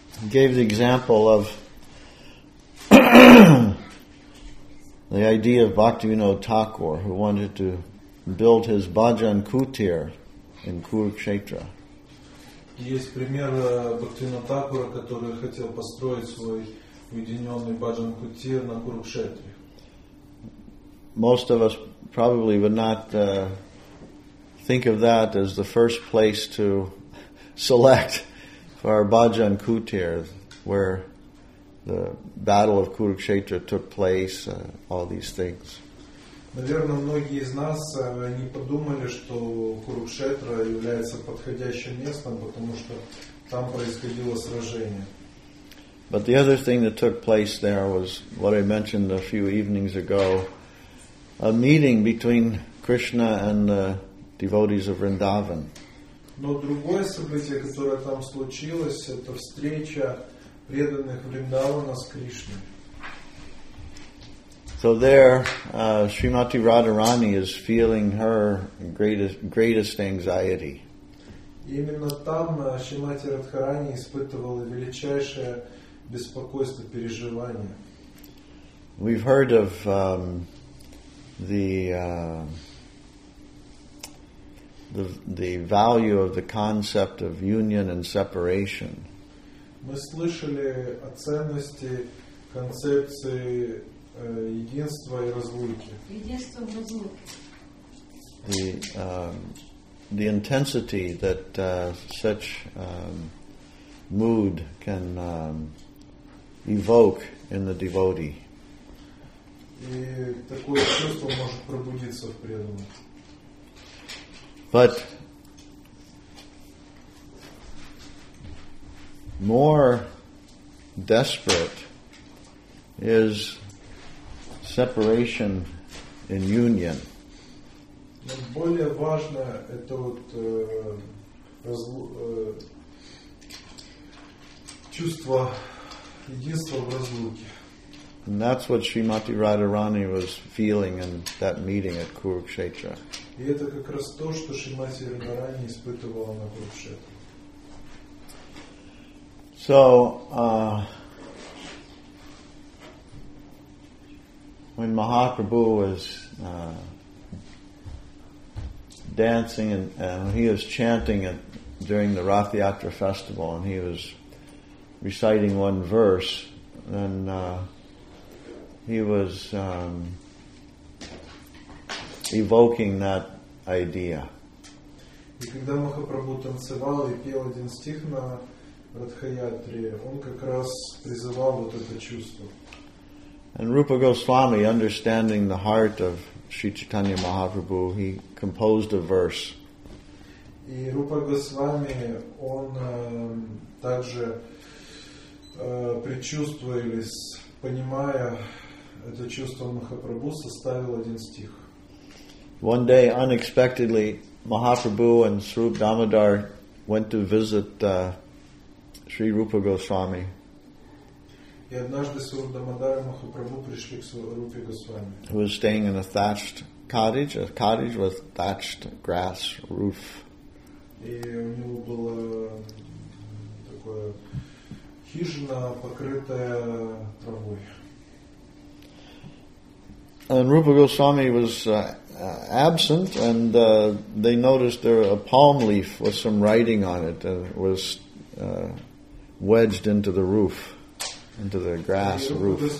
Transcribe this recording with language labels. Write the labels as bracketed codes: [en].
[en] Gave the example of the idea of Bhaktivinoda Thakur, who wanted to build his bhajan kutir in Kurukshetra. [ru] Есть пример Бхактивинода Такура, который хотел построить свой уединенный бхаджан кутир на Курукшетре. [en] Most of us probably would not think of that as the first place to select for our bhajan kutir, where the battle of Kurukshetra took place, all these things. [ru] Наверное, многие из нас не подумали, что Курукшетра является подходящим местом, потому что там происходило сражение. [en] But the other thing that took place there was what I mentioned a few evenings ago, a meeting between Krishna and the devotees of Vrindavan. [ru] Но другое событие, которое там случилось, это встреча преданных Вриндавана с Кришной. [en] So there, Srimati Radharani is feeling her greatest anxiety. [ru] Именно там Шримати Радхарани испытывала величайшее беспокойство, переживание. [en] We've heard of the value of the concept of union and separation. [ru] Мы слышали о ценности концепции единства и разлуки. Единство в разлуке. [en] The intensity that such mood can evoke in the devotee. [ru] И такое чувство может пробудиться в преданном. [en] But more desperate is separation in union. [ru] Более важно это вот чувство единства в разлуке. [en] And that's what Srimati Radharani was feeling in that meeting at Kurukshetra. [ru] И это как раз то, что Шримати Радхарани испытывала на Курукшетре. [en] So, when Mahaprabhu was dancing and he was chanting it during the Rath Yatra festival, and he was reciting one verse, then he was evoking that idea. [ru] И когда Махапрабху танцевал и пел один стих на Радха-ятре, он как раз призывал вот это чувство. [en] And Rupa Goswami, understanding the heart of Sri Chaitanya Mahaprabhu, he composed a verse. [ru] И Рупа Госвами, он также предчувствуя или понимая это чувство Махапрабху, составил один стих. [en] One day, unexpectedly, Mahaprabhu and Srup Damodar went to visit Sri Rupa Goswami. [ru] И однажды Сруб Дамодар и Махапрабху пришли к Рупе Госвами. [en] Who was staying in a thatched cottage, a cottage with thatched grass roof. [ru] И у него была такая хижина, покрытая травой. [en] And Rupa Goswami was absent, and they noticed there a palm leaf with some writing on it that was wedged into the roof, into the grass roof.